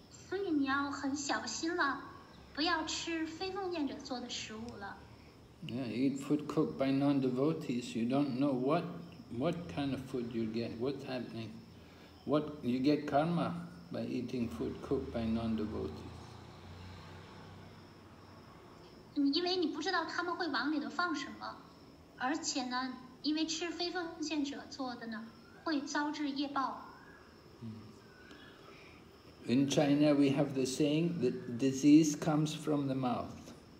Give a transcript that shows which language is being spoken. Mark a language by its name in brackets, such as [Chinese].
[English] So you need to be very careful. Don't eat food cooked by non-devotees. Yeah, eat food cooked by non-devotees. You don't know what kind of food you get, what's happening. What you get karma by eating food cooked by non-devotees. [Chinese] 因为你不知道他们会往里头放什么，而且呢，因为吃非奉献者做的呢，会遭致业报。 [English] In China, we have the saying that disease comes from the mouth.